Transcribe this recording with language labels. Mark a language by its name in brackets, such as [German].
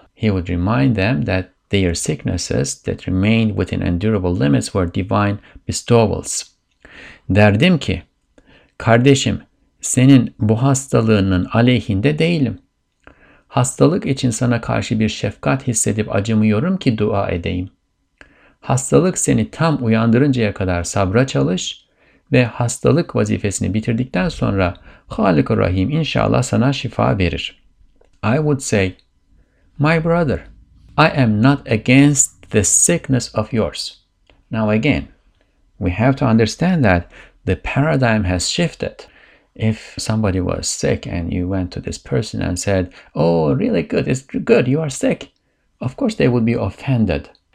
[English] He would remind them that their sicknesses that remained within endurable limits were divine bestowals. [Turkish] Derdim ki, kardeşim, senin bu hastalığının aleyhinde değilim. Hastalık için sana karşı bir şefkat hissedip acımıyorum ki dua edeyim. Hastalık seni tam uyandırıncaya kadar sabra çalış ve hastalık vazifesini bitirdikten sonra Halik-ı Rahim inşallah sana şifa verir. [English] I would say, my brother, I am not against the sickness of yours. Now again, we have to understand that the paradigm has shifted. If somebody was sick and you went to this person and said, oh, really good, it's good, you are sick, of course they would be offended.